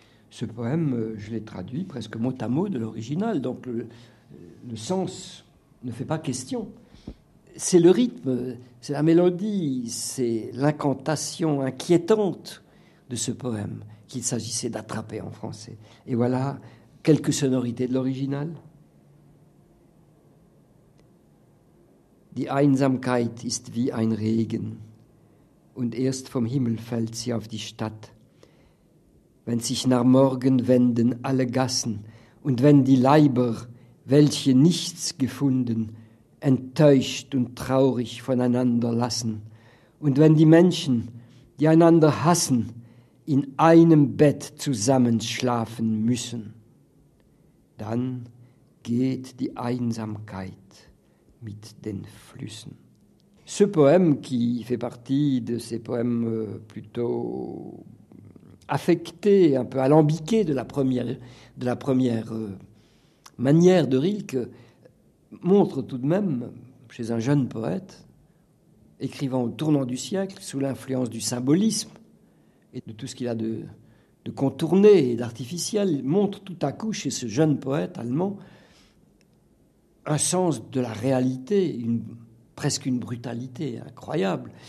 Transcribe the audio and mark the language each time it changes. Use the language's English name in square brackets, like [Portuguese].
[French] Ce poème, je l'ai traduit presque mot à mot de l'original, donc le sens ne fait pas question. C'est le rythme, c'est la mélodie, c'est l'incantation inquiétante de ce poème qu'il s'agissait d'attraper en français. Et voilà quelques sonorités de l'original. [German] Die Einsamkeit ist wie ein Regen und erst vom Himmel fällt sie auf die Stadt. Wenn sich nach morgen wenden alle Gassen und wenn die Leiber welche nichts gefunden, enttäuscht und traurig voneinander lassen. Und wenn die Menschen, die einander hassen, in einem Bett zusammenschlafen müssen, dann geht die Einsamkeit mit den Flüssen. [French] Ce poème, qui fait partie de ces poèmes plutôt affectée, un peu alambiquée de la première manière de Rilke, montre tout de même, chez un jeune poète, écrivant au tournant du siècle, sous l'influence du symbolisme et de tout ce qu'il a de contourné et d'artificiel, montre tout à coup chez ce jeune poète allemand un sens de la réalité, presque une brutalité incroyable.